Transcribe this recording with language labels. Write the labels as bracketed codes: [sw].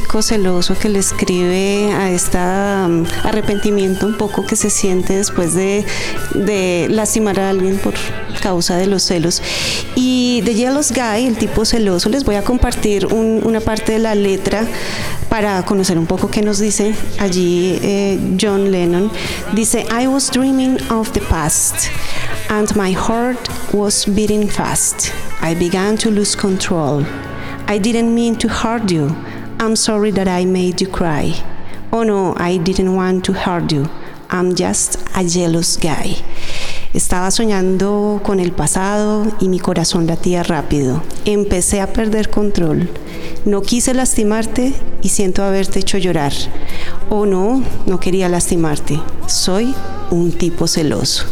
[es] Chico celoso que le escribe a este arrepentimiento un poco que se siente después de lastimar a alguien por causa de los celos. Y de Jealous Guy, el tipo celoso, les voy a compartir una parte de la letra para conocer un poco qué nos dice allí John Lennon. Dice: [en] I was dreaming of the past and my heart was beating fast. I began to lose control. I didn't mean to hurt you. I'm sorry that I made you cry. Oh no, I didn't want to hurt you. I'm just a jealous guy. [es] Estaba soñando con el pasado y mi corazón latía rápido. Empecé a perder control. No quise lastimarte y siento haberte hecho llorar. Oh no, no quería lastimarte. Soy un tipo celoso.